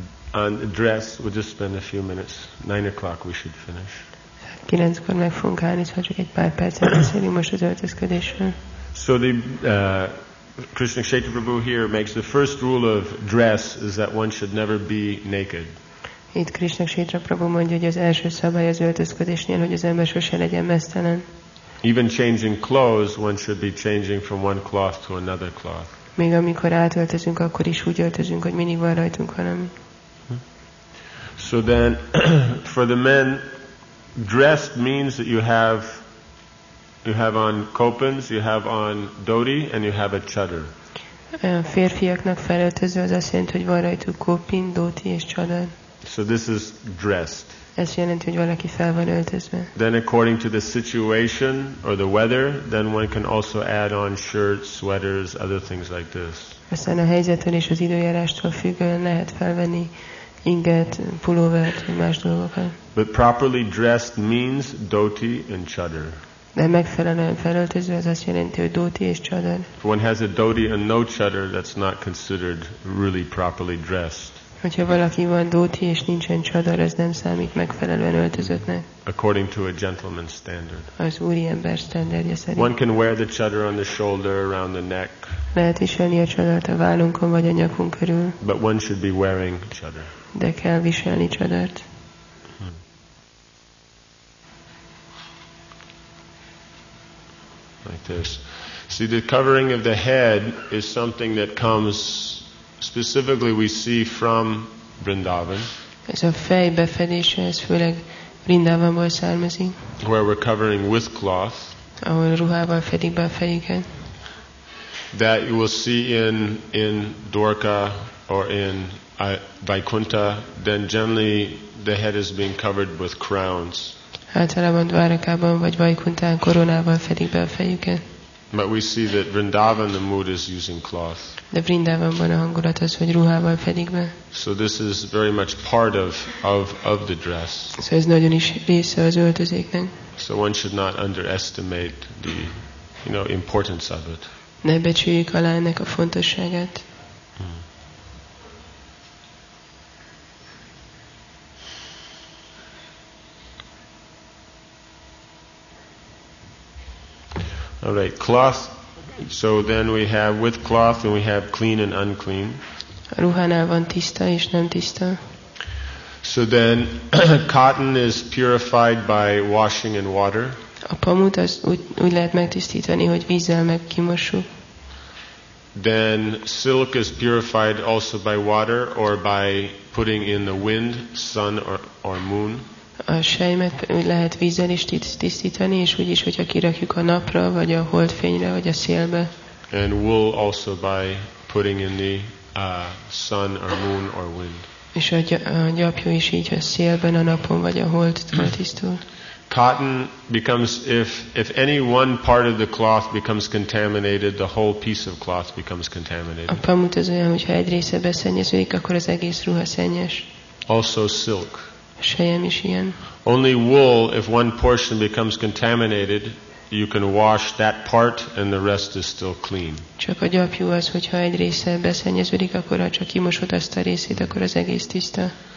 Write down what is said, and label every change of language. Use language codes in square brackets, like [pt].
[en] and dress, we'll just spend a few minutes. 9 o'clock we should finish. [hu] 9-kor meg fogunk állni, szóval csak egy pár percet beszélünk most az öltözködésről. [en] So the Krishna Kshetra Prabhu here makes the first rule of dress is that one should never be naked. [hu] Itt Krishna Kshetra Prabhu mondja, hogy az első szabály az öltözködésnél, hogy az ember sose legyen meztelen. [en] Even changing clothes, one should be changing from one cloth to another cloth. [hu] Még amikor átöltözünk, akkor is úgy öltözünk, hogy mindig van rajtunk valami. [en] So then, for the men, dressed means that you have on kopans, you have on dhoti, and you have a chadar. [hu] Férfiaknak felöltöző az azt jelenti, hogy van rajtuk kopin, dhoti és chadar. [en] So this is dressed. [hu] Ez jelenti, hogy valaki fel van öltözve. [en] Then according to the situation or the weather, then one can also add on shirts, sweaters, other things like this. [hu] Aztán a helyzetől és az időjárástól függően lehet felvenni inget, pulóvert, más dolgokat. [en] But properly dressed means dhoti and chadar. [hu] De megfelelően felöltözve az azt jelenti, hogy dhoti és chadar. [en] If one has a dhoti and no chadar, that's not considered really properly dressed. [hu] Hogyha valaki van dhoti és nincsen chadar, ez nem számít megfelelően öltözöttnek. [en] According to a gentleman's standard. [hu] Az úriember standardja szerint. [en] One can wear the chadar on the shoulder, around the neck. [hu] Lehet viselni a chadart a vállunkon vagy a nyakunk körül. [en] But one should be wearing chadar. [hu] De kell viselni csadart. [en] Like this. See, the covering of the head is something that comes specifically we see from Vrindavan. [hu] Ez a fej befedése, ez főleg Vrindavanból származik. [en] Where we're covering with cloth. [hu] Ahol ruhával fedik be a fejüket. [en] That you will see in Dwarka or in Vaikuntha, then generally the head is being covered with crowns. [hu] Általában Dvárakában vagy Vaikunthán koronával fedik be a fejüket. [en] But we see that Vrindavan, the mood is using cloth. [hu] De Vrindavanban a hangulat az, hogy ruhával fedik be. [en] So this is very much part of the dress. [hu] So ez nagyon is része az öltözéknek. [en] So one should not underestimate the, you know, importance of it. [hu] Ne becsüljük alá ennek a fontosságát. [en] All right, cloth. So then we have with cloth and we have clean and unclean. [hu] A ruhánál van tiszta és nem tiszta. [en] So then cotton is purified by washing in water. [hu] A pamut az úgy lehet megtisztítani, hogy vízzel megkimosuk. [en] Then silk is purified also by water or by putting in the wind, sun or moon. [hu] A sejmet lehet vízzel is tisztítani, és úgyis, hogyha kirakjuk a napra, vagy a holdfényre, vagy a szélbe. [en] And wool also by putting in the sun or moon or wind. [hu] És a gyapjú is így a szélben, a napon, vagy a holdtól tisztul. [en] Cotton becomes, if any one part of the cloth becomes contaminated, the whole piece of cloth becomes contaminated. [hu] A pamut az olyan, hogyha egy része beszennyeződik, akkor az egész ruha szennyes. [en] Also silk. [hu] Sejem is ilyen. [en] Only wool, if one portion becomes contaminated, you can wash that part and the rest is still clean. [hu] Csak a gyapjú az, hogyha egy része beszennyeződik, akkor ha csak kimosod azt a részét, akkor az egész tiszta.